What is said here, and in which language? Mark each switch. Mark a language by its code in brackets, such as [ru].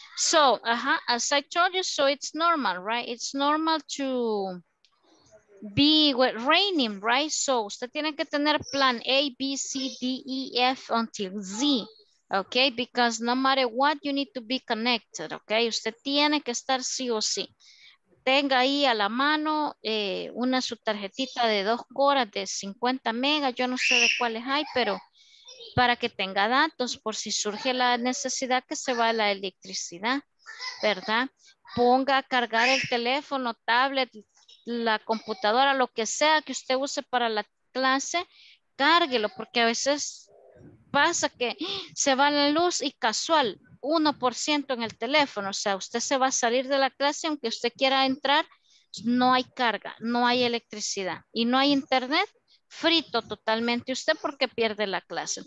[en] So, as I told you, so it's normal, right? It's normal to be with raining, right? [es] So, usted tiene que tener plan A, B, C, D, E, F [en] until Z. Okay, because no matter what, you need to be connected, okay? [es] Usted tiene que estar sí o sí. Tenga ahí a la mano una su tarjetita de 2 horas de 50 megas, yo no sé de cuáles hay, pero para que tenga datos por si surge la necesidad que se va la electricidad, ¿verdad? Ponga a cargar el teléfono, tablet, la computadora, lo que sea que usted use para la clase, cárguelo, porque a veces pasa que se va la luz y casual, 1% en el teléfono, o sea, usted se va a salir de la clase, aunque usted quiera entrar, no hay carga, no hay electricidad y no hay internet, frito totalmente usted porque pierde la clase.